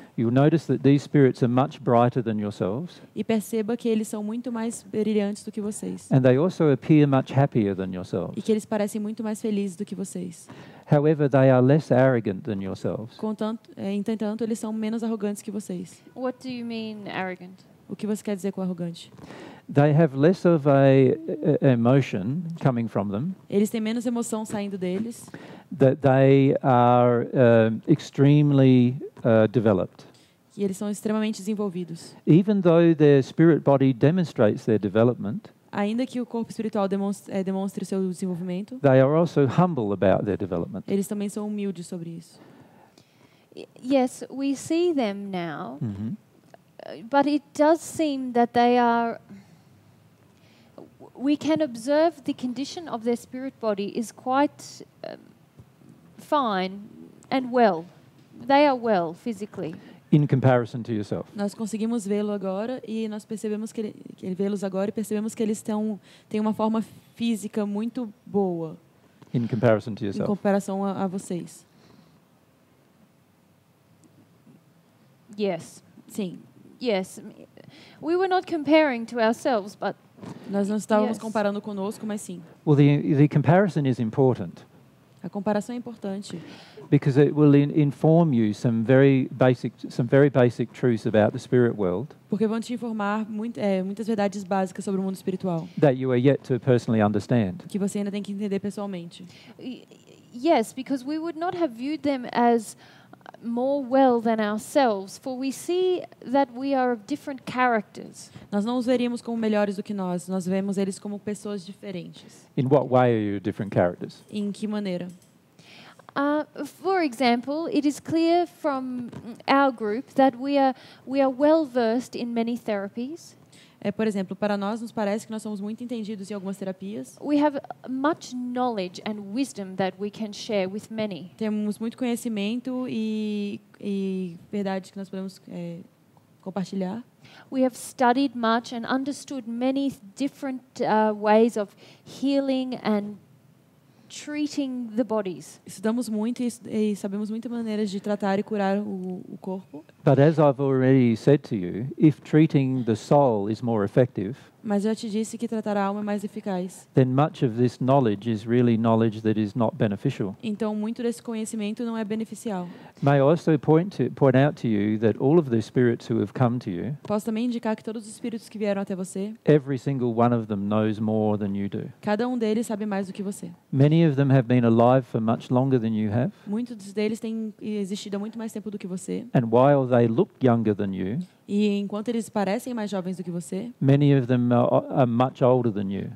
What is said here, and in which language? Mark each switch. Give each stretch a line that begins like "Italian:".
English: You'll notice that these spirits are much brighter than yourselves.
Portuguese: E perceba que eles são muito mais brilhantes do que vocês.
English: And they also appear much happier than yourselves.
Portuguese: E que eles parecem muito mais felizes do que vocês.
English: However, they are less arrogant than yourselves.
Portuguese: Entretanto, eles são menos arrogantes que vocês.
English: What do you mean arrogant?
Portuguese: O que você quer dizer com arrogante?
English: They have less of a emotion coming from them.
Portuguese: Eles têm menos emoção saindo deles.
English: That they are extremely developed.
Portuguese: E eles são extremamente desenvolvidos.
English: Even though their spirit body demonstrates their development,
Portuguese: ainda que o corpo espiritual demonstre seu desenvolvimento,
English: they are also humble about their development.
Portuguese: Eles também são humildes sobre isso.
English: Yes, we see them now. Mm-hmm. But it does seem that they are, we can observe the condition of their spirit body is quite fine and well. They are well physically. In comparison to yourself.
Portuguese: Nós conseguimos vê-lo agora e nós percebemos que vê-los agora e percebemos que eles têm uma forma física muito boa.
English: In comparison to yourself.
Portuguese: Em comparação a vocês.
English: Yes.
Portuguese: Sim.
English: Yes. We were not comparing to ourselves, but
Portuguese: nós não estávamos yes. comparando conosco, mas sim.
English: Well, the comparison is important.
Portuguese: A comparação é importante.
English: Because it will inform you some very basic truths about the spirit world.
Portuguese: Porque vão te informar muitas verdades básicas sobre o mundo espiritual.
English: That you are yet to personally understand.
Portuguese: Que você ainda tem que entender pessoalmente.
English: Yes, because we would not have viewed them as more well than ourselves, for we see that we are of different characters.
Portuguese: Nós não os veríamos como melhores do que nós. Nós vemos eles como pessoas diferentes.
English: In what way are you different characters?
Portuguese: Em que maneira?
English: For example, it is clear from our group that we are well versed in many therapies.
Portuguese: Por exemplo, para nós nos parece que nós somos muito entendidos em algumas terapias.
English: We have much knowledge and wisdom that we can share with many.
Portuguese: Temos muito conhecimento e verdades que nós podemos compartilhar.
English: We have studied much and understood many different ways of healing and treating the bodies.
Portuguese: Estudamos muito e sabemos muitas maneiras de tratar e curar o corpo.
English: But as I've already said to you, if treating the soul is more effective,
Portuguese: mas eu te disse que tratar a alma é mais eficaz.
English: Then much of this knowledge is really knowledge that is not beneficial.
Portuguese: Então muito desse conhecimento não é beneficial.
English: May I also point out to you that all of the spirits who have come to you,
Portuguese: posso também indicar que todos os espíritos que vieram até você,
English: every single one of them knows more than you do.
Portuguese: Cada um deles sabe mais do que você.
English: Many of them have been alive for much longer than you have.
Portuguese: Muitos deles têm existido há muito mais tempo do que você.
English: And while they look younger than you,
Portuguese: e enquanto eles parecem mais jovens do que você,
English: many of them are much older than you.